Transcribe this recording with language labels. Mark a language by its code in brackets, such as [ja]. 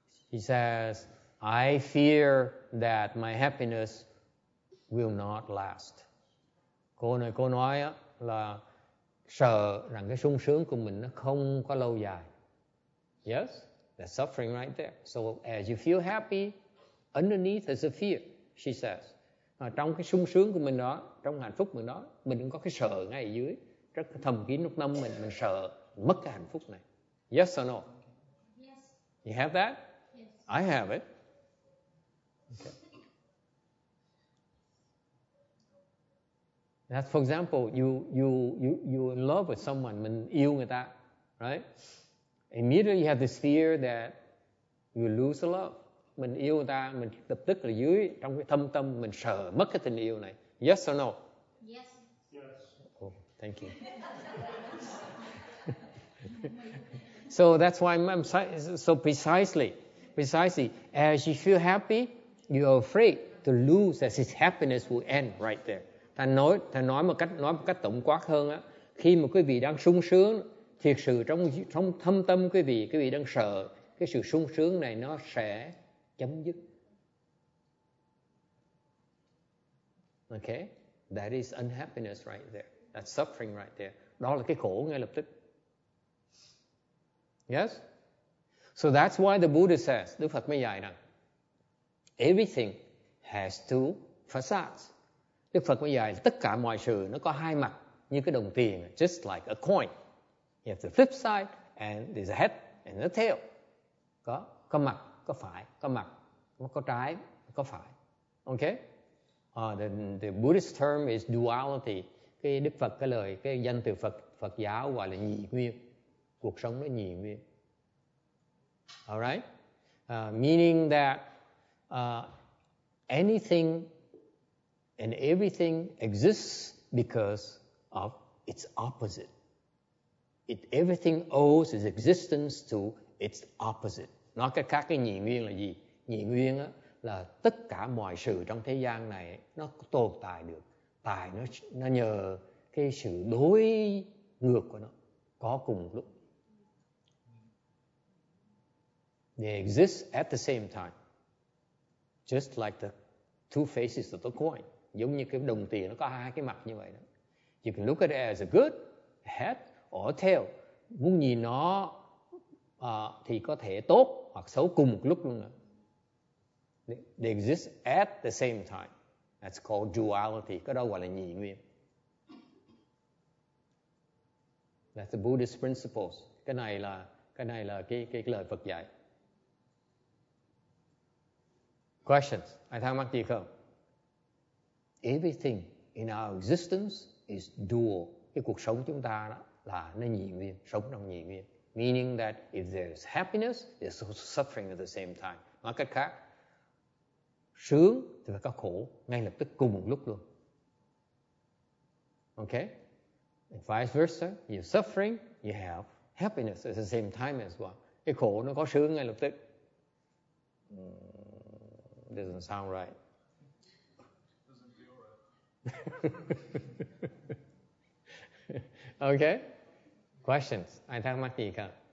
[en] He says, I fear that my happiness will not last. [vi] Cô nói là sợ rằng cái sung sướng của mình nó không có lâu dài. [en] Yes? That's suffering right there. So as you feel happy, underneath is a fear, she says. [vi] À, trong cái sung sướng của mình đó, trong hạnh phúc mình đó, mình cũng có cái sợ ngay ở dưới. Rất thầm kín lúc năm mình sợ mất cái hạnh phúc này. [en] Yes or no? Yes. You have that? Yes. I have it. Okay. That's for example, you in love with someone, [vi] mình yêu người ta, [en] right? Immediately you have this fear that you lose the love. [vi] Mình yêu người ta, mình lập tức là dưới trong cái thâm tâm mình sợ mất cái tình yêu này. [en] Yes or no? Yes. Yes. Oh, thank you. So that's why I'm so precisely, as you feel happy, you are afraid to lose as this happiness will end right there. [vi] Ta nói một cách tổng quát hơn á, khi mà quý vị đang sung sướng, thiệt sự trong thâm tâm quý vị đang sợ cái sự sung sướng này nó sẽ chấm dứt. [en] Okay? That is unhappiness right there. That's suffering right there. [vi] Đó là cái khổ ngay lập tức. [en] Yes? So that's why the Buddha says, [vi] Đức Phật mới dạy rằng, [en] everything has two facades. [vi] Đức Phật mới dạy, tất cả mọi sự nó có hai mặt, như cái đồng tiền, [en] just like a coin. You have the flip side, and there's a head and a tail. [vi] Có mặt, có phải, có mặt. Có trái, có phải. Okay? [en] The Buddhist term is duality. [vi] Cái Đức Phật, cái lời, cái danh từ Phật, Phật giáo gọi là nhị nguyên. Cuộc sống nó nhị nguyên. Alright? [en] meaning that anything and everything exists because of its opposite. Everything owes its existence to its opposite. [vi] Nó cái khác cái nhị nguyên là gì? Nhị nguyên á là tất cả mọi sự trong thế gian này nó tồn tại được tại nó nhờ cái sự đối ngược của nó có cùng lúc. [en] They exist at the same time, just like the two faces of the coin. [vi] Giống như cái đồng tiền nó có hai cái mặt như vậy đó. [en] You can look at it as a good head or a tail. [vi] Muốn nhìn nó thì có thể tốt hoặc xấu cùng một lúc luôn đó. [en] They exist at the same time. That's called duality. [vi] Cái đó gọi là nhị nguyên. [en] That's the Buddhist principles. [vi] Cái này là cái lời Phật dạy. Questions? Ai thắc mắc gì không? [en] Everything in our existence is dual. [vi] Cái cuộc sống chúng ta đó là nó nhị nguyên, sống trong nhị nguyên. [en] Meaning that if there's happiness, there's also suffering at the same time. [vi] Nói cách khác, sướng thì phải có khổ ngay lập tức cùng một lúc luôn. [en] Okay? And vice versa, you're suffering, you have happiness at the same time as well. [vi] Cái khổ nó có sướng ngay lập tức. [en] Doesn't sound right. [vi] Okay. Questions? Ai thắc mắc gì không?